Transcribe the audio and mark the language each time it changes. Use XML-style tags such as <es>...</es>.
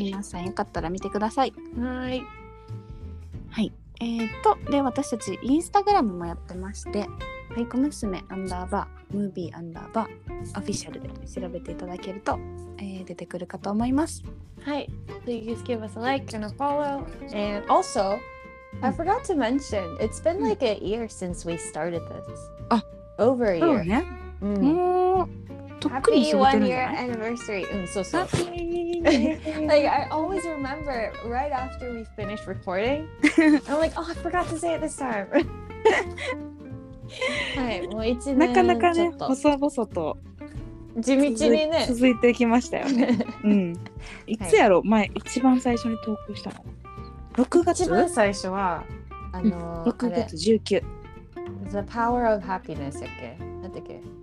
<ja>皆さんよかったら見てください。はい、はい、で私たちインスタグラムもやってまして、はい、小娘アンダーバームービーアンダーバーオフィシャルで調べていただけると、出てくるかと思います。</ja> <en>はい、Please give us a like and a follow. And also, I forgot to mention, it's been like a year since we started this.</en> <ja>あ、</ja> <en>over a year.</en> <ja>そうね。うん。もう、とっくに一緒に行ってるんじゃない？うん、そうそう。</ja> <en>Happy! Like, I always remember right after we finished recording. I'm like, oh, I forgot to say it this time.</en> <ja>はい、もう1年ちょっと。なかなかね、細々と。地道にね続いてきましたよね。うん、いつやろ、はい、前一番最初に投稿したの6月一番最初は、 6月19、あれ The Power of Happiness やっけ、なんてっけ、</ja>